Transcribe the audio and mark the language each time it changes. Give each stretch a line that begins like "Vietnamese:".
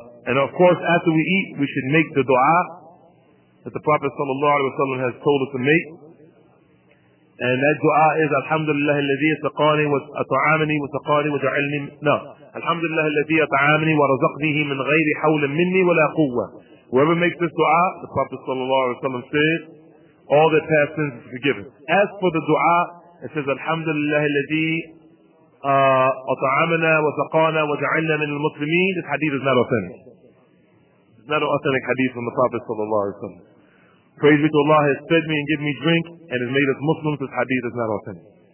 English: And of course, after we eat, we should make the dua that the Prophet sallallahu alaihi wasallam has told us to make. And that dua is
Arabic: Alhamdulillah الذي سقاني وأطعمني وسقاني وجعلني نعم Alhamdulillah الذي أطعمني ورزقنيه من غير حول مني ولا قوة.
English: Whoever makes this dua, the Prophet sallallahu alaihi wasallam says, all their past sins are forgiven. As for the dua, it says Alhamdulillah
Arabic: الذي أطعمنا وسقانا وجعلنا من المسلمين.
English: This hadith is not authentic. It's not an authentic hadith from the Prophet sallallahu alaihi wasallam. Praise be to Allah, has fed me and given me drink, and has made us Muslims, this hadith is not authentic.